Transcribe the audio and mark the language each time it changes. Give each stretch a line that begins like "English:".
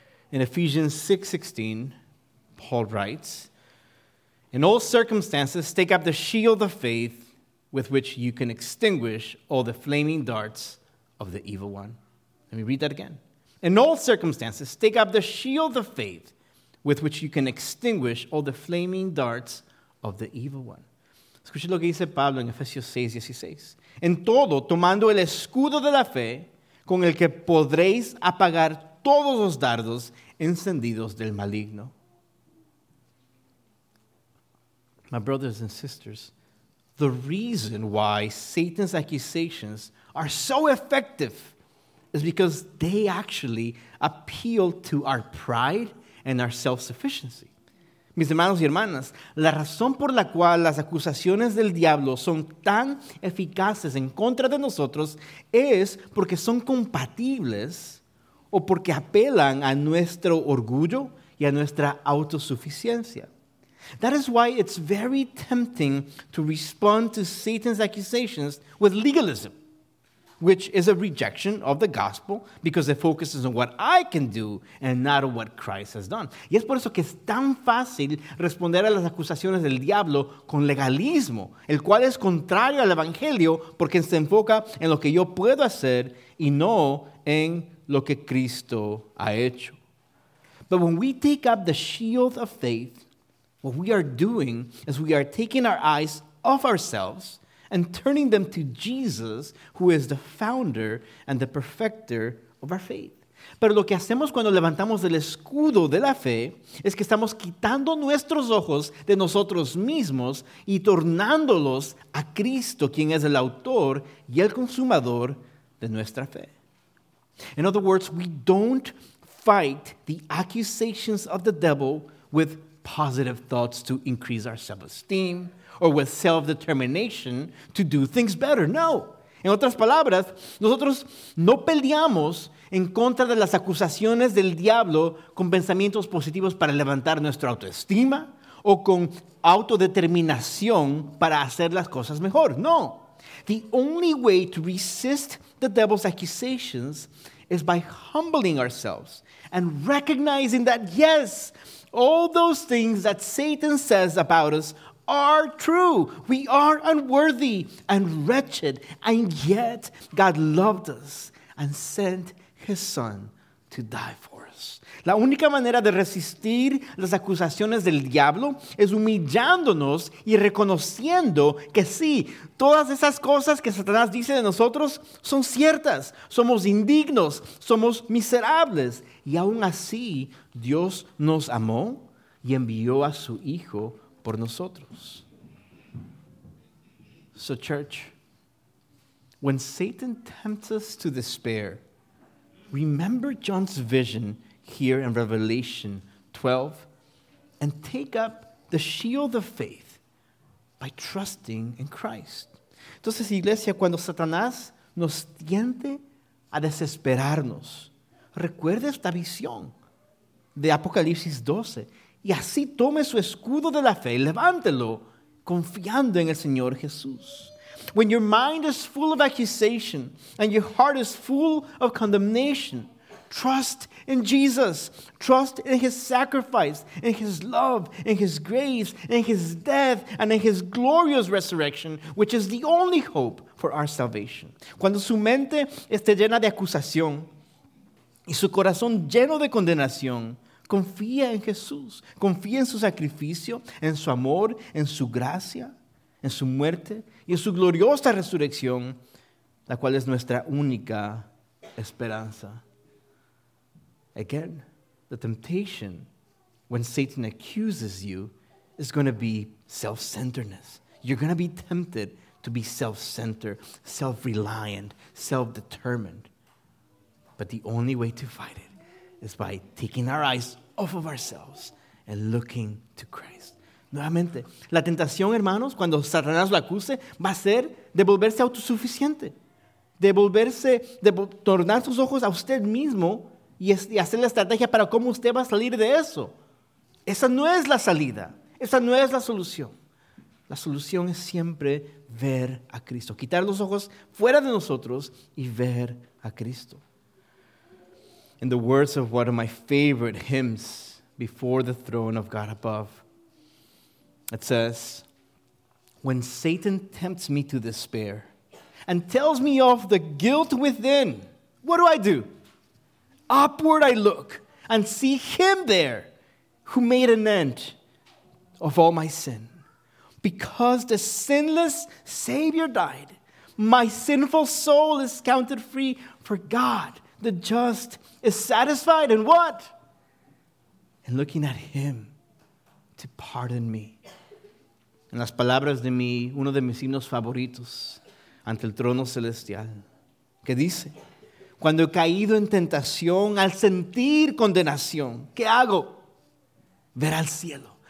English: In Ephesians 6:16, Paul writes, "In all circumstances, take up the shield of faith with which you can extinguish all the flaming darts of the evil one." Let me read that again. "In all circumstances, take up the shield of faith with which you can extinguish all the flaming darts of the evil one."
Spanish: Escuche lo que dice Pablo en Efesios 6:16. "En todo, tomando el escudo de la fe, con el que podréis apagar todos los dardos encendidos del maligno."
English: My brothers and sisters, the reason why Satan's accusations are so effective is because they actually appeal to our pride and our self-sufficiency.
Spanish: Mis hermanos y hermanas, la razón por la cual las acusaciones del diablo son tan eficaces en contra de nosotros es porque son compatibles o porque apelan a nuestro orgullo y a nuestra autosuficiencia.
English: That is why it's very tempting to respond to Satan's accusations with legalism, which is a rejection of the gospel because it focuses on what I can do and not on what Christ has done.
Spanish: Y es por eso que es tan fácil responder a las acusaciones del diablo con legalismo, el cual es contrario al evangelio porque se enfoca en lo que yo puedo hacer y no en lo que Cristo ha hecho.
English: But when we take up the shield of faith, what we are doing is we are taking our eyes off ourselves and turning them to Jesus, who is the founder and the perfecter of our faith.
Spanish: Pero lo que hacemos cuando levantamos el escudo de la fe es que estamos quitando nuestros ojos de nosotros mismos y tornándolos a Cristo, quien es el autor y el consumador de nuestra fe.
English: In other words, we don't fight the accusations of the devil with positive thoughts to increase our self-esteem or with self-determination to do things better. No.
Spanish: En otras palabras, nosotros no peleamos en contra de las acusaciones del diablo con pensamientos positivos para levantar nuestra autoestima o con autodeterminación para hacer las cosas mejor. No.
English: The only way to resist the devil's accusations is by humbling ourselves and recognizing that, yes, all those things that Satan says about us are true. We are unworthy and wretched, and yet God loved us and sent His Son to die for us.
Spanish: La única manera de resistir las acusaciones del diablo es humillándonos y reconociendo que sí, todas esas cosas que Satanás dice de nosotros son ciertas. Somos indignos, somos miserables. Y aún así, Dios nos amó y envió a su Hijo por nosotros.
English: So, church, when Satan tempts us to despair, remember John's vision here in Revelation 12 and take up the shield of faith by trusting in Christ.
Spanish: Entonces, iglesia, cuando Satanás nos tiente a desesperarnos, recuerde esta visión de Apocalipsis 12 y así tome su escudo de la fe, levántelo confiando en el Señor Jesús.
English: When your mind is full of accusation and your heart is full of condemnation, trust in Jesus. Trust in His sacrifice, in His love, in His grace, in His death, and in His glorious resurrection, which is the only hope for our salvation.
Spanish: Cuando su mente esté llena de acusación y su corazón lleno de condenación, confía en Jesús. Confía en su sacrificio, en su amor, en su gracia, en su muerte y en su gloriosa resurrección, la cual es nuestra única esperanza.
English: Again, the temptation when Satan accuses you is going to be self-centeredness. You're going to be tempted to be self-centered, self-reliant, self-determined. But the only way to fight it is by taking our eyes off of ourselves and looking to Christ.
Spanish: Nuevamente, la tentación, hermanos, cuando Satanás lo acuse, va a ser de volverse autosuficiente, de tornar sus ojos a usted mismo y hacer la estrategia para cómo usted va a salir de eso. Esa no es la salida, esa no es la solución. La solución es siempre ver a Cristo, quitar los ojos fuera de nosotros y ver a Cristo.
English: In the words of one of my favorite hymns, Before the Throne of God Above, it says, when Satan tempts me to despair and tells me of the guilt within, what do? Upward I look and see Him there who made an end of all my sin. Because the sinless Savior died, my sinful soul is counted free, for God, the just, is satisfied in what? In looking at Him to pardon me.
Spanish: En las palabras de uno de mis himnos favoritos ante el trono celestial, que dice, cuando he caído en tentación, al sentir condenación, ¿qué hago? Ver al cielo.